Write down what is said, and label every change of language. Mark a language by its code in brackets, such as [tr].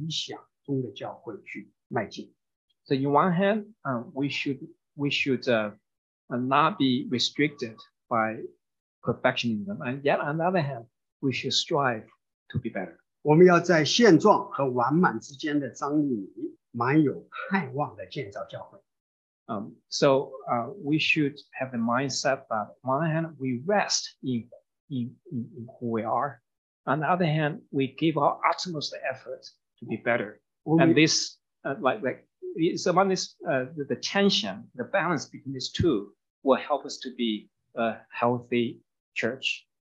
[zh] 一方面我们要聘请完美主和向你，另一方面我们却要向着理想中的教会去迈进。 [en] So in one hand, we should not be restricted by perfectionism, and yet on the other hand, we should strive to be better. [zh] 我们要在现状和完满之间的张力里，满有盼望的建造教会。 [en] We should have the mindset that on one hand we rest in who we are, on the other hand we give our utmost effort to be better. And this it's among this the tension, the balance between these two will help us to be a healthy church.